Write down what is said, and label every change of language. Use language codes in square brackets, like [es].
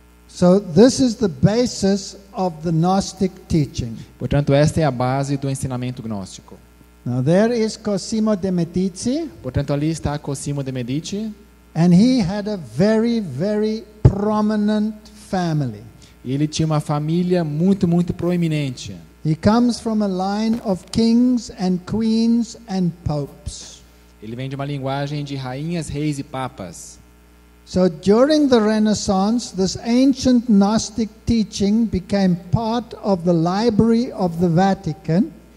[en] So this is the basis of the Gnostic teaching. [pt] Portanto, esta é a base do ensinamento gnóstico. [en] Now there is Cosimo de Medici. [pt] Portanto, ali está Cosimo de Medici. [en] And he had a very, very prominent family. [pt] Ele tinha uma família muito, muito proeminente. [en] He comes from a line of kings and queens and popes. [pt] Ele vem de uma linguagem de rainhas, reis e papas. [en] So during the Renaissance, this ancient Gnostic teaching became part of the library of the Vatican.